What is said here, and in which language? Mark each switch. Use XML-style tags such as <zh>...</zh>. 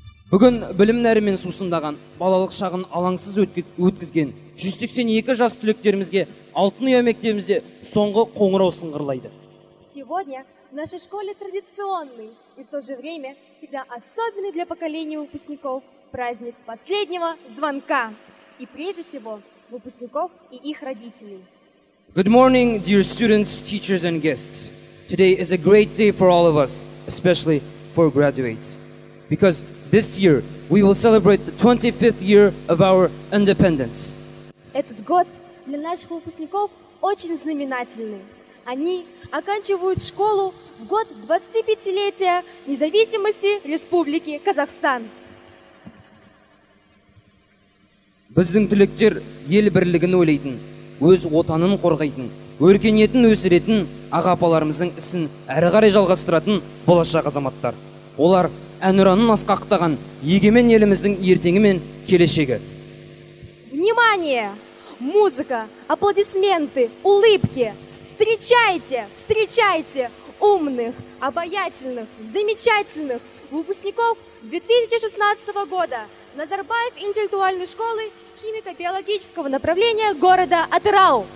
<kk>Бүгін білім нәрімен сусындаған, балалық шағын алаңсыз өткізген 182 жас түлектерімізге Алтын ұя мектебімізде соңғы қоңырау сыңғырлайды.</kk> <ru>Сегодня в нашей школе традиционный и в то же время всегда особенный для поколения выпускников праздник последнего звонка. И прежде всего выпускников и их родителей.</ru> <en>Good morning, dear students, teachers and guests. Today is a great day for all of us, especially for graduates. Because this year we will celebrate the 25th year of our independence.</en> <ru>Этот год для наших выпускников очень знаменательный. Они оканчивают школу в год 25-летия независимости Республики Казахстан.</ru> <kk>Біздің түлектер ел бірлігін ойлайтын, өз отанын қорғайтын, өркениетін өсіретін, аға-апаларымыздың ісін әрі қарай жалғастыратын болашақ азаматтар. Олар әнұранын асқақтаған егемен еліміздің ертеңі мен келешегі.</kk> <ru>Внимание! Музыка, аплодисменты, улыбки! Встречайте, встречайте умных, обаятельных, замечательных выпускников 2016 года Назарбаев интеллектуальной школы химико-биологического направления города Атырау.</ru>